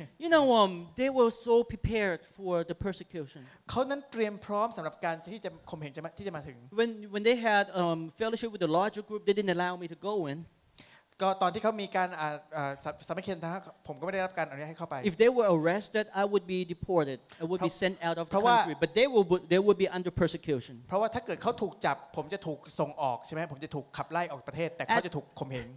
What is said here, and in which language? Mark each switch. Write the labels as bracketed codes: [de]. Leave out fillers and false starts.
[en] You know they were so prepared for the persecution [th] เขานั้นเตรียมพร้อมสำหรับการที่จะข่มเหงที่จะมาถึง [en] When they had fellowship with the larger group they didn't allow me to go in [th] ก็ตอนที่เขามีการสามัคคีธรรมะผมก็ไม่ได้รับการอนุญาตให้เข้าไป [en] If they were arrested I would be deported I would be sent out of the country but they would be under persecution [th] เพราะว่าถ้าเกิดเขาถูกจับผมจะถูกส่งออกใช่ไหมผมจะถูกขับไล่ออกประเทศแต่เขาจะถูกข่มเหง